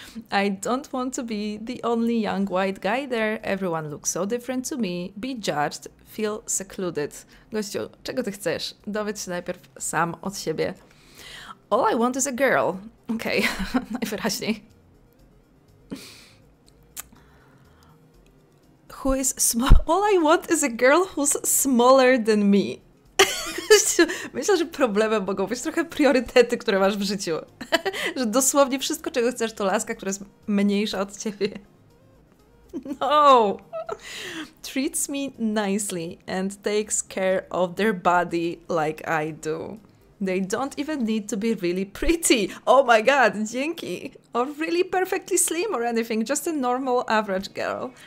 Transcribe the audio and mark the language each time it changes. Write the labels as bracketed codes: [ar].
[en] I don't want to be the only young white guy there. Everyone looks so different to me. Be judged. Feel secluded. [pl] Gościu, czego ty chcesz? Dowiedz się najpierw sam od siebie. [en] All I want is a girl. Okej, okay. [pl] Najwyraźniej. [en] Who is small? All I want is a girl who's smaller than me. [pl] Myślę, że problemem mogą być trochę priorytety, które masz w życiu. Że dosłownie wszystko, czego chcesz, to laska, która jest mniejsza od ciebie. No! [en] Treats me nicely and takes care of their body like I do. They don't even need to be really pretty. Oh my god, [pl] dzięki! [en] Or really perfectly slim or anything, just a normal average girl.